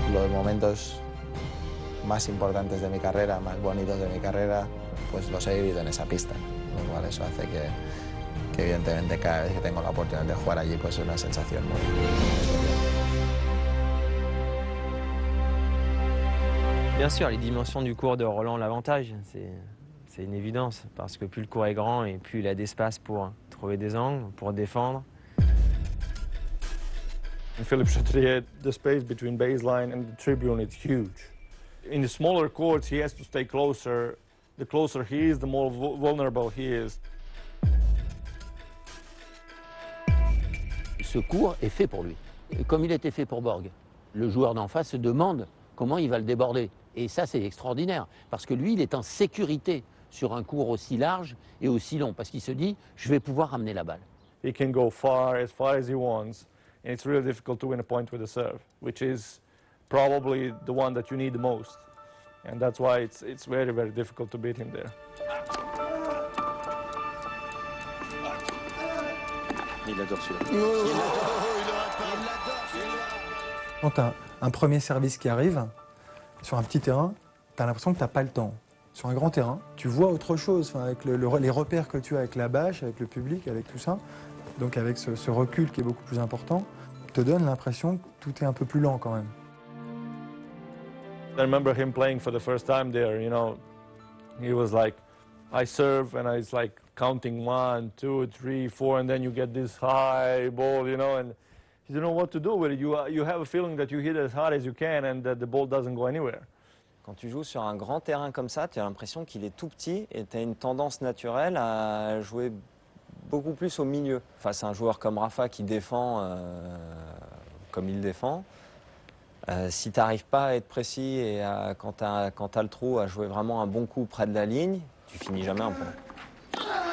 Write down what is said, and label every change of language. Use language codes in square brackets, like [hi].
[es] momentos más importantes de mi carrera, más bonitos de mi carrera, pues los he vivido en esa pista. Lo cual eso hace que evidentemente cada vez que tengo la oportunidad de jugar allí, pues es una sensación muy... [fr] Bien sûr, les dimensions du court de Roland ont l'avantage, c'est une évidence, parce que plus le court est grand et plus il a d'espace pour trouver des angles, pour défendre. [en] In Philippe Chatrier, the space between baseline and the tribune is huge. In the smaller courts, he has to stay closer. The closer he is, the more vulnerable he is. [fr] Ce court est fait pour lui, comme il était fait pour Borg. Le joueur d'en face se demande comment il va le déborder. Et ça, c'est extraordinaire, parce que lui, il est en sécurité sur un court aussi large et aussi long, parce qu'il se dit, je vais pouvoir ramener la balle. [en] He can go far as he wants. And it's really difficult to win a point with a serve, which is probably the one that you need the most. And that's why it's very, very difficult to beat him there. [fr] Il adore celui-là. Quand t'as un premier service qui arrive, sur un petit terrain, t'as l'impression que t'as pas le temps. Sur un grand terrain, tu vois autre chose, avec les repères que tu as avec la bâche, avec le public, avec tout ça, donc avec ce recul qui est beaucoup plus important, te donne l'impression que tout est un peu plus lent quand même. [en] I remember him playing for the first time there, you know. He was like, I serve and it's like counting one, two, three, four, and then you get this high ball, you know, and he didn't know what to do with it. You have a feeling that you hit as hard as you can and that the ball doesn't go anywhere. [fr] Quand tu joues sur un grand terrain comme ça, tu as l'impression qu'il est tout petit et tu as une tendance naturelle à jouer beaucoup plus au milieu. Face à un joueur comme Rafa qui défend comme il défend, si tu n'arrives pas à être précis et à, quand tu as le trou, à jouer vraiment un bon coup près de la ligne, tu finis jamais un point.